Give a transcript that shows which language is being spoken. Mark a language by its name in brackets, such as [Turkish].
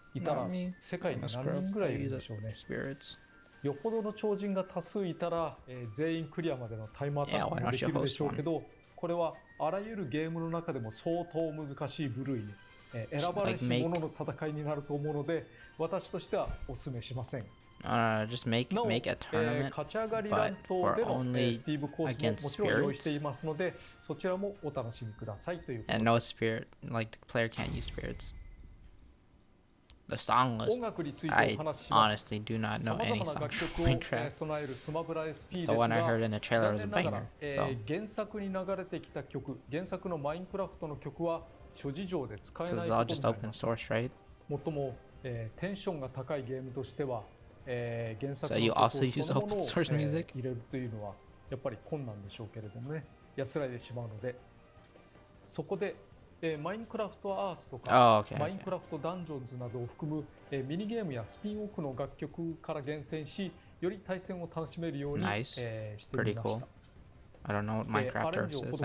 [Japanese] いたら世界に何人くらいいるんでしょうね。よほどの超人が多数いたら、全員クリアまでのタイムアタックもできるでしょうけど、これはあらゆるゲームの中でも相当難しい部類に、選ばれし者の戦いになると思うので、私としてはお勧めしません。なお、勝ち上がりラン等でのスティーブコースももちろん用意していますので、そちらもお楽しみくださいということで。 [English] And no spirit, like the player can't use spirits. The song list. [Japanese] 音楽についてお話しします。 [English] I honestly do not know any song from Minecraft. [Japanese] 備えるスマブラ SP ですが、 [English] The one I heard in the trailer was a banger. [Japanese] 原作に流れてきた曲、原作のマインクラフトの曲は諸事情で使えないことになります。 [English] Because it's all just open source, right? [Japanese] もっとも、テンションが高いゲームとしては、原作の曲そのものを、 [English] So you also use open source music? [Japanese] 入れるというのはやっぱり困難でしょうけれどもね、安らいでしまうので、そこで。マインクラフトアースとか、 [English] oh, okay, okay. [Japanese] マインクラフトダンジョンズなどを含む、ミニゲームやスピンオフの楽曲から厳選し、より対戦を楽しめるように、 [English] nice. [Japanese] してみました。 [English] Pretty cool. I don't know what Minecraft Earth is.